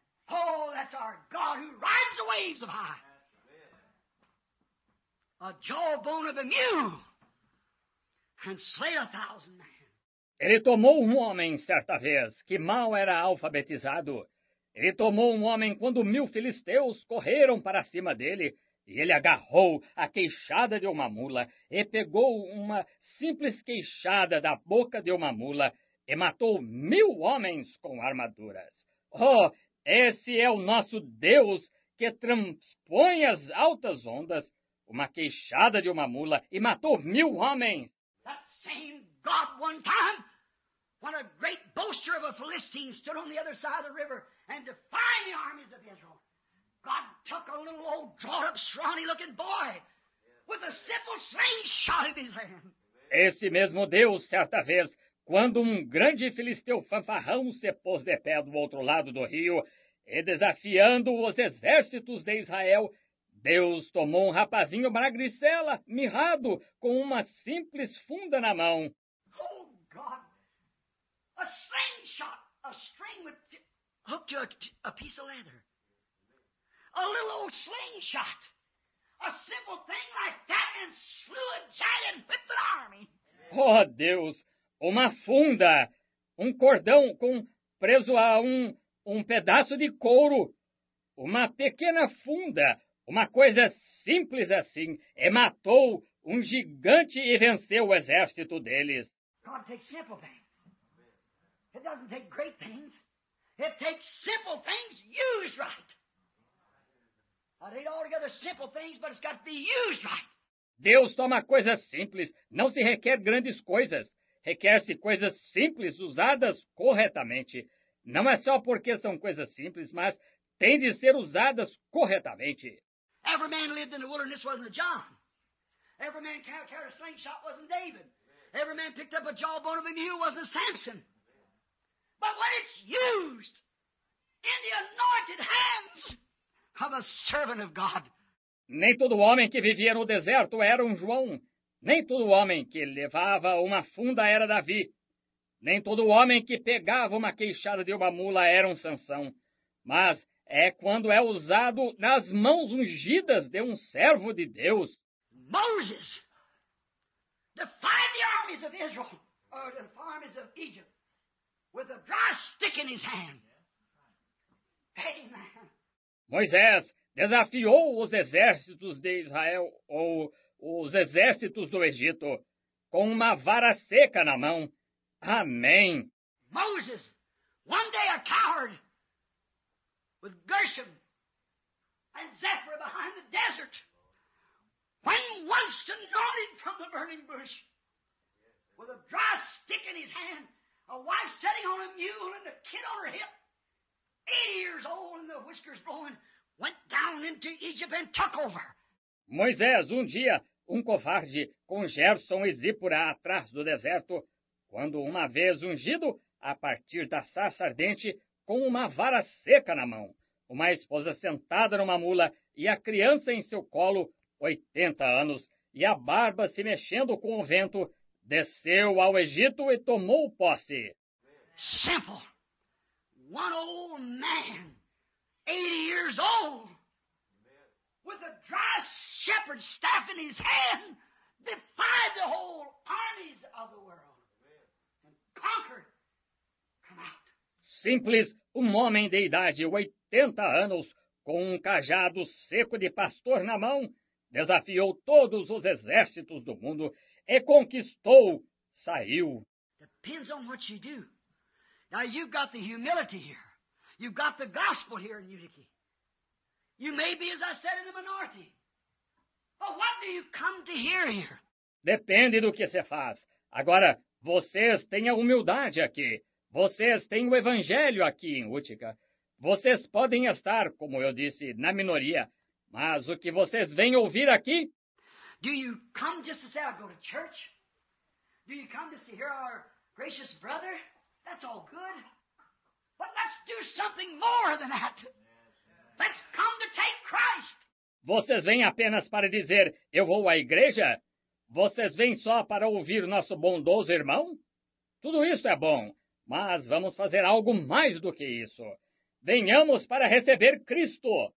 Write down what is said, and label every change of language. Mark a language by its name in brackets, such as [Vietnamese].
[English] Oh, that's our God who rides the waves of high. A jawbone of a mule and slayed 1,000 men. [Portuguese] Ele tomou um homem certa vez que mal era alfabetizado. Ele tomou um homem quando 1,000 filisteus correram para cima dele. E ele agarrou a queixada de uma mula e pegou uma simples queixada da boca de uma mula e matou 1,000 homens com armaduras. Oh, esse é o nosso Deus que transpõe as altas ondas, uma queixada de uma mula e matou 1,000 homens. [English] That same God one time, when a great boaster of a Philistine stood on the other side of the river and defied the armies of Israel. God took a little old drawn-up, scrawny-looking boy with a simple slingshot in his hand. [Portuguese] Esse mesmo Deus, certa vez, quando grande filisteu fanfarrão se pôs de pé do outro lado do rio e desafiando os exércitos de Israel, Deus tomou rapazinho magricela, mirrado, com uma simples funda na mão. [English] Oh, God! A slingshot! A string with hooked to a piece of leather. A little old slingshot. A simple thing like that and slew a giant with the army. [Portuguese] Oh, Deus! Uma funda! Um cordão com preso a um pedaço de couro! Uma pequena funda! Uma coisa simples assim! E matou um gigante e venceu o exército deles! [English] God takes simple things. It doesn't take great things. It takes simple things used right. I need altogether simple things, but it's got to be used right. [Portuguese] Deus toma coisas simples. Não se requer grandes coisas. Requer-se coisas simples usadas corretamente. Não é só porque são coisas simples, mas têm de ser usadas corretamente. [English] Every man lived in the wilderness wasn't a John. Every man carried a slingshot wasn't David. Every man picked up a jawbone of a mule wasn't a Samson. But when it's used in the anointed hands of a servant of God. [Portuguese] Nem todo homem que vivia no deserto era um João. Nem todo homem que levava uma funda era Davi. Nem todo homem que pegava uma queixada de uma mula era um Sansão. Mas é quando é usado nas mãos ungidas de um servo de Deus. [English] Moses defied the armies of Israel, or the armies of Egypt, with a dry stick in his hand. Amen. [Portuguese] Moisés desafiou os exércitos de Israel, ou os exércitos do Egito, com uma vara seca na mão. Amém. [English] Moses, one day a coward, with Gershom and Zephyr behind the desert, when once anointed from the burning bush, with a dry stick in his hand, a wife sitting on a mule and a kid on her hip, 80 years old and the whiskers blowing, went down into Egypt and took over. [Portuguese] Moisés, um dia, um covarde com Gerson e Zípora atrás do deserto, quando uma vez ungido a partir da sarça ardente com uma vara seca na mão, uma esposa sentada numa mula e a criança em seu colo, 80 anos, e a barba se mexendo com o vento, desceu ao Egito e tomou posse. [English] Simple. One old man, 80 years old, with a dry shepherd's staff in his hand, defied the whole armies of the world and conquered. Come out. [Portuguese] Simples, um homem de idade, 80 anos, com um cajado seco de pastor na mão, desafiou todos os exércitos do mundo e conquistou, saiu. [English] Depends on what you do. Now you've got the humility here. You've got the gospel here in Unity. You may be, as I said, in the minority. But what do you come to hear here? [Portuguese] Depende do que você faz. Agora, vocês têm a humildade aqui. Vocês têm o evangelho aqui em Utica. Vocês podem estar, como eu disse, na minoria. Mas o que vocês vêm ouvir aqui? [English] Do you come just to say, I go to church? Do you come just to hear our gracious brother? That's all good. But let's do something more than that. Let's come to take Christ. [Portuguese] Vocês vêm apenas para dizer, eu vou à igreja? Vocês vêm só para ouvir nosso bondoso irmão? Tudo isso é bom, mas vamos fazer algo mais do que isso. Venhamos para receber Cristo.